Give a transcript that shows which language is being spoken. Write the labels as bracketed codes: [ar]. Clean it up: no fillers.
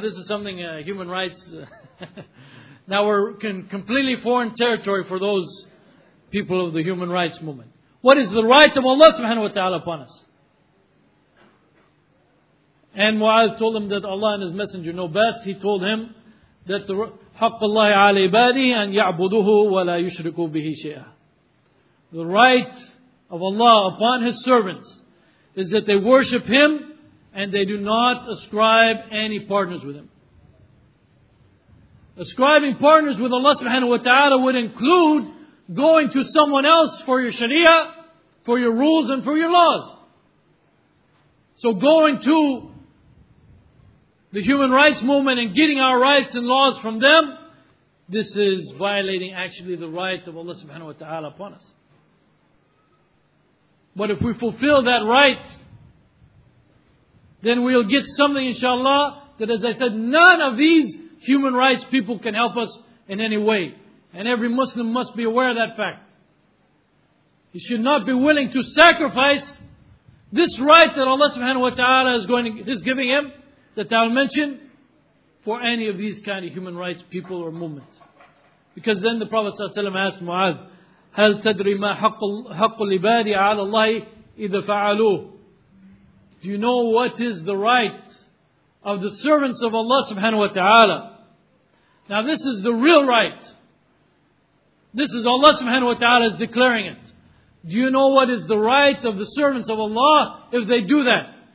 [en] This is something, human rights. Now we're in completely foreign territory for those people of the human rights movement. What is the right of Allah subhanahu wa ta'ala upon us? And Mu'adh told him that Allah and His Messenger know best. He told him that the [ar] حق الله على عباده أن يعبدوه ولا يشركوا به شيئا. [en] The right of Allah upon His servants is that they worship Him and they do not ascribe any partners with Him. Ascribing partners with Allah subhanahu wa ta'ala would include going to someone else for your sharia, for your rules and for your laws. So going to the human rights movement and getting our rights and laws from them, this is violating actually the right of Allah subhanahu wa ta'ala upon us. But if we fulfill that right, then we'll get something, inshallah, that, as I said, none of these human rights people can help us in any way. And every Muslim must be aware of that fact. He should not be willing to sacrifice this right that Allah subhanahu wa ta'ala is giving him, that I'll mention, for any of these kind of human rights people or movements. Because then the Prophet ﷺ asked Mu'adh, [ar] هَلْ تَدْرِ مَا حَقُّ الْعِبَادِ عَلَى اللَّهِ إِذَا فَعَلُوهُ. [en] Do you know what is the right of the servants of Allah subhanahu wa ta'ala? Now this is the real right. This is Allah subhanahu wa ta'ala is declaring it. Do you know what is the right of the servants of Allah if they do that?